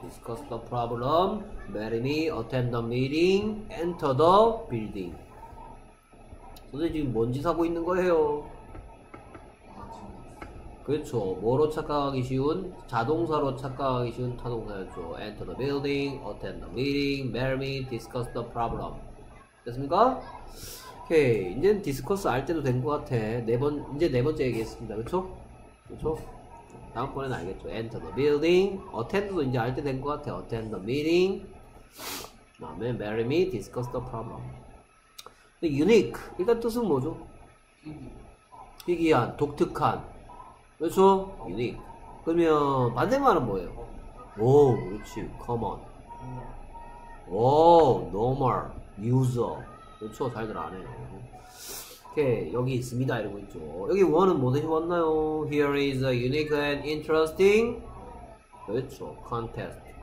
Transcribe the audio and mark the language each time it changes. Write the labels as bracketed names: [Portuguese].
[English] Discuss the problem, marry me, attend the meeting, enter the building. [Korean] 도대체 지금 뭔 짓 하고 있는 거예요? 그렇죠. 뭐로 착각하기 쉬운? 자동사로 착각하기 쉬운 타동사였죠. [English] Enter the building, attend the meeting, marry me, discuss the problem. [Korean] 됐습니까? 오케이. 이제는 discuss 알 때도 된 것 같아. 네 번째 얘기했습니다. 그렇죠? 다음번에는 알겠죠. [English] Enter the building. [Korean] Attend도 이제 알 때 된 것 같아요. [English] Attend the meeting. [Korean] 다음에 [English] marry me, discuss the problem. [Korean] Unique. 일단 뜻은 뭐죠? 희귀한, 독특한. 그렇죠? Unique. 그러면 반대말은 뭐예요? 오, 그렇지. Common. 오, normal. User. 그렇죠? 잘들 안 해요. 오케이, 여기 있습니다 이러고 있죠. 여기 원은 뭐 되셨나요? [English] Here is a unique and interesting [Korean] 그렇죠, [English] contest.